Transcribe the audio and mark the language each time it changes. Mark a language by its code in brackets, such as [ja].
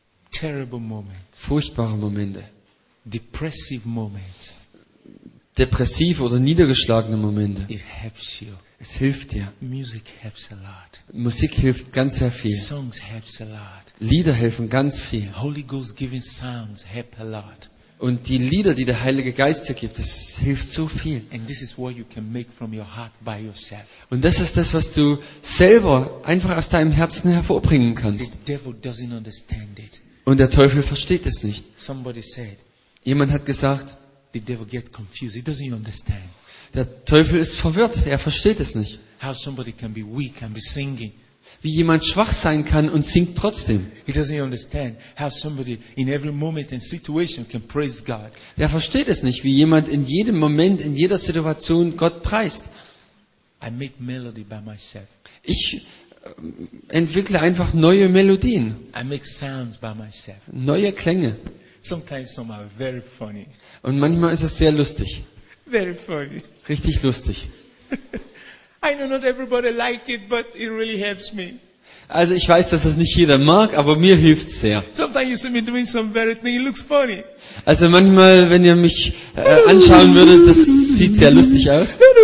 [en] terrible moments, [de] furchtbare Momente, [en] depressive moments, [de] depressive oder niedergeschlagene Momente. [en] It helps you. [de] Es hilft dir. [en] Music helps a lot. [de] Musik hilft ganz sehr viel. [en] Songs helps a lot. [de] Lieder helfen ganz viel. [en] Holy Ghost giving sounds help a lot. [de] Und die Lieder, die der Heilige Geist dir gibt, das hilft so viel. [en] And this is what you can make from your heart by yourself. [de] Und das ist das, was du selber einfach aus deinem Herzen hervorbringen kannst. [en] The devil doesn't understand it. [de] Und der Teufel versteht es nicht. [en] Somebody said, [de] jemand hat gesagt, [en] the devil get confused. He doesn't understand. [de] Der Teufel ist verwirrt, er versteht es nicht. [en] How somebody can be weak and be singing. [de] Wie jemand schwach sein kann und singt trotzdem. [en] He doesn't understand how somebody in every moment and situation can praise God. [de] Er versteht es nicht, wie jemand in jedem Moment, in jeder Situation Gott preist. [en] I make melody by myself. [de] Ich entwickle einfach neue Melodien. [en] I make sounds by myself. [de] Neue Klänge. [en] Sometimes some are very funny. [de] Und manchmal ist es sehr lustig. [en] Very funny. [de] Richtig lustig. [en] I know not everybody like it, but it really helps me. [de] Also ich weiß, dass das nicht jeder mag, aber mir hilft es sehr. [en] Sometimes you see me doing some very thing, it looks funny. [de] Also manchmal, wenn ihr mich anschauen würdet, das sieht sehr lustig aus.